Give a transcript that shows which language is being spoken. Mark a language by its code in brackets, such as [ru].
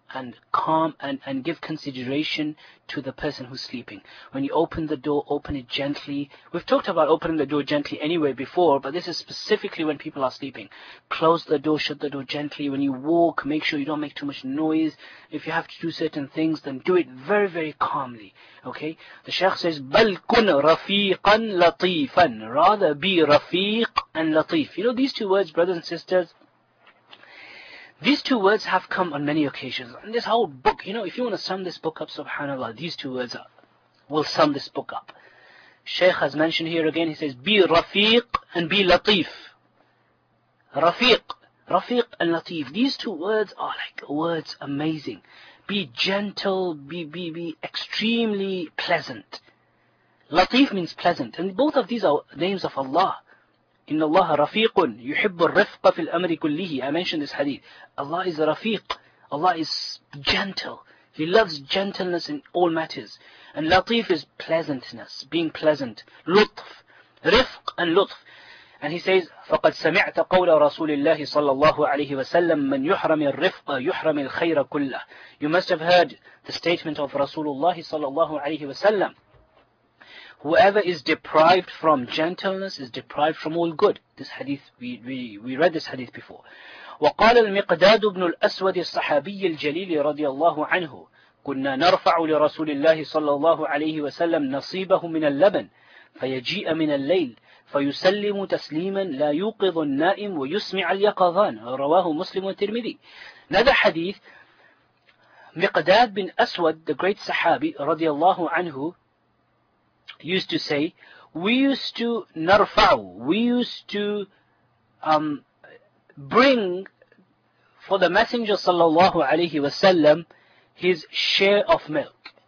[en] and calm and give consideration to the person who's sleeping. When you open the door, open it gently. We've talked about opening the door gently anyway before, but this is specifically when people are sleeping. Close the door, shut the door gently. When you walk, make sure you don't make too much noise. If you have to do certain things, then do it very, very calmly. Okay? The Shaykh says, [ar] بَلْ كُنْ رَفِيقًا لَطِيفًا. [en] Rather be Rafiq and Latif. You know these two words, brothers and sisters? These two words have come on many occasions. And this whole book, you know, if you want to sum this book up, subhanAllah, these two words will sum this book up. Shaykh has mentioned here again, he says, be Rafiq and be Latif. Rafiq. Rafiq and Latif. These two words are like words amazing. Be gentle, be extremely pleasant. Latif means pleasant. And both of these are names of Allah. [ar] إن الله رفيق يحب الرفق في الأمر كله. [en] I mentioned this hadith. Allah is رفيق. Allah is gentle. He loves gentleness in all matters. And لطيف is pleasantness, being pleasant. [ar] لطف. رفق and لطف. [en] And he says, [ar] فقد سمعت قول رسول الله صلى الله عليه وسلم من يحرم الرفق يحرم الخير كله. [en] You must have heard the statement of Rasulullah صلى الله عليه وسلم. Whoever is deprived from gentleness is deprived from all good. This hadith, we read this hadith before. [ar] وقال المقداد بن الأسود الصحابي الجليل رضي الله عنه كنا نرفع لرسول الله صلى الله عليه وسلم نصيبه من اللبن فيجيء من الليل فيسلم تسليما لا يوقظ النائم ويسمع اليقظان رواه مسلم والترمذي. هذا حديث مقداد بن أسود, [en] the great صحابي رضي الله عنه, used to say, we used to narfa'u, we used to bring for the Messenger sallallahu alayhi wa sallam his share of milk.